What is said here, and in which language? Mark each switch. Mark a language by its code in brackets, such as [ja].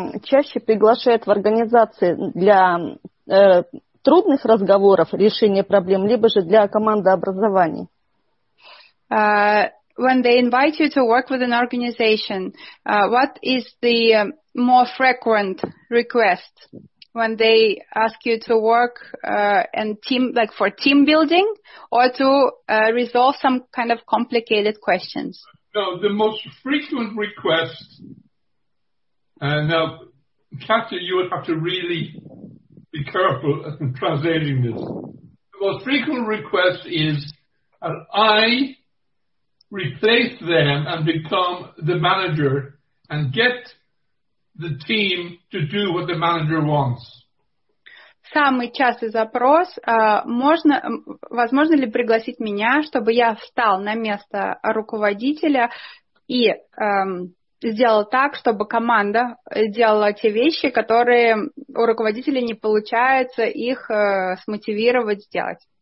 [ru] Чаще приглашают в организации для трудных разговоров, решения проблем, либо же для командообразования. [en] When they invite you to work with an organization, what is the more frequent request when they ask you to work and team, like for team building, or to resolve some kind of complicated questions? No, the most frequent request. Now, Katya, you would have to really be careful in translating this. The most frequent request is that I replace them and become the manager and get the team to do what the manager wants. [ru] Самый частый запрос, возможно ли пригласить меня, чтобы я встал на место руководителя и сделал так, чтобы команда делала те вещи, которые у руководителя не получается их смотивировать сделать.